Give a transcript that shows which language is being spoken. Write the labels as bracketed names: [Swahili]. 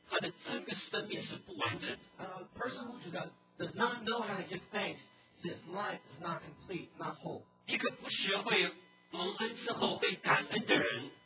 [Chinese] 弟兄姊妹，一个不懂得感恩的人，他的整个生命是不完整。 [English] A person who does not know how to give thanks, his life is not complete, not whole. [Chinese] 一个不学会蒙恩之后会感恩的人。